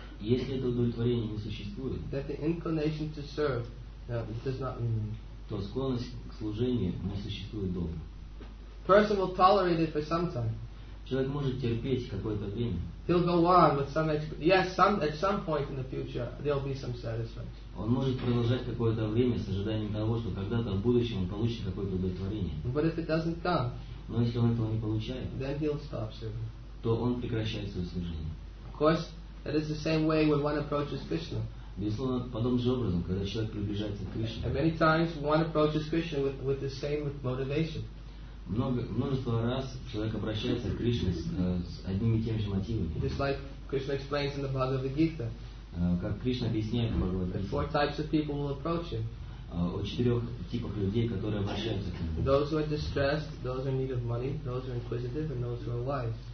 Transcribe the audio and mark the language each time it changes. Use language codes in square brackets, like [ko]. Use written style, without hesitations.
[ru] Если это удовлетворение не существует, [en] that the inclination to serve, does not remain. [ru] То склонность к служению не существует долго. [en] Person will tolerate it for some time. [ru] Человек может терпеть какое-то время. [en] He'll go on with some at some point in the future there'll be some satisfaction. [ru] Он может продолжать какое-то время с ожиданием того, что когда-то в будущем он получит какое-то удовлетворение. [en] But if it doesn't come, [ru] но если он этого не получает, [en] then he'll stop serving. [ru] То он прекращает свое служение. [en] Of course, that is the same way when one approaches Krishna. [ru] Безусловно, подобным же образом, когда человек приближается к Кришне. [en] And many times one approaches Krishna with the same motivation. [ru] Множество раз человек обращается к Кришне с одними и теми же мотивами. [en] Just like Krishna explains in the Bhagavad Gita. [ru] Как Кришна объясняет в Бхагавад Гите. [en] Four types of people will approach him. [ru] О четырех типах людей, которые обращаются к нему. [en] Those who are distressed, those in need of money, those who are inquisitive, and those who are wise.